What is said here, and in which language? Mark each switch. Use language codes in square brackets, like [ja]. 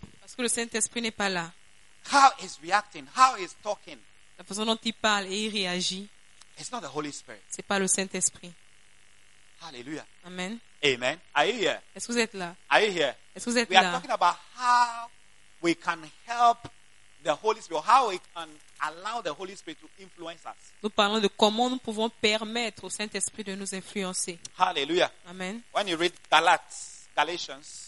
[fr] Parce que le Saint-Esprit n'est pas là. [en] How is reacting? How is talking? [fr] La façon dont il parle et il réagit. [en] It's not the Holy Spirit. [fr] C'est pas le Saint-Esprit. Hallelujah. Amen. [en] Amen. Are you here? [fr] Est-ce que vous êtes là? [en] Are you here? [fr] Est-ce que vous êtes [en] we [fr] là? [en] We are talking about how we can help the Holy Spirit, how we can allow the Holy Spirit to influence us. [fr] Nous parlons de comment nous pouvons permettre au Saint-Esprit de nous influencer. Hallelujah. Amen. [en] When you read Galatians.